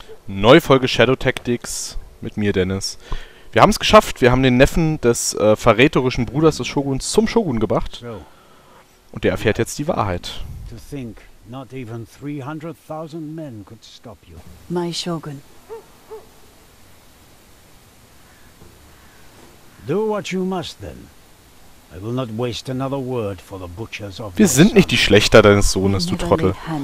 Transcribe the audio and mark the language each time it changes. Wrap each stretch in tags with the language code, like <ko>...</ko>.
<de>Neue Folge Shadow Tactics mit mir, Dennis. Wir haben es geschafft. Wir haben den Neffen des verräterischen Bruders des Shoguns zum Shogun gebracht. Und der erfährt jetzt die Wahrheit.</de> <en>To think not even 300,000 men could stop you. My Shogun. Do what you must then. I will not waste another word for the butchers of</en> <de>Wir sind nicht die Schlechter deines Sohnes, du Trottel.</de>